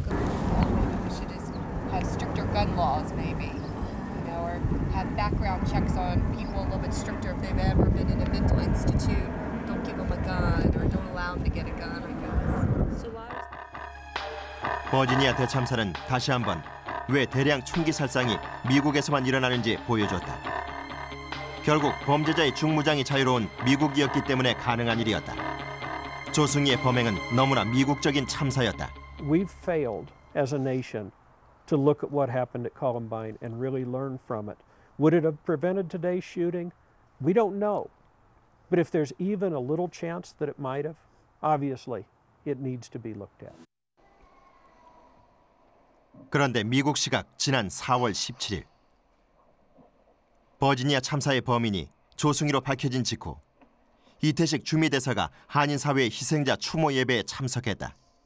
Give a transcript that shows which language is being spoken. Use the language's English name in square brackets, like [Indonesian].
[English] We should just have stricter gun laws, maybe. You know, or have background checks on people a little bit stricter if they've ever been in a mental institute. Don't give them a gun or don't allow them to get a gun, I guess. So why? [Korean] 버지니아 대참사는 다시 한번 왜 대량 총기 살상이 미국에서만 일어나는지 보여줬다. 결국 범죄자의 중무장이 자유로운 미국이었기 때문에 가능한 일이었다. 조승희의 범행은 너무나 미국적인 참사였다. [English] We've failed as a nation to look at what happened at Columbine and really learn from it. Would it have prevented today's shooting? We don't know. But if there's even a little chance that it might have, obviously it needs to be looked at. [Korean] 그런데 미국 시각 지난 4월 17일 버지니아 참사의 범인이 조승희로 밝혀진 직후 이태식 주미대사가 한인사회의 희생자 추모 예배에 참석했다.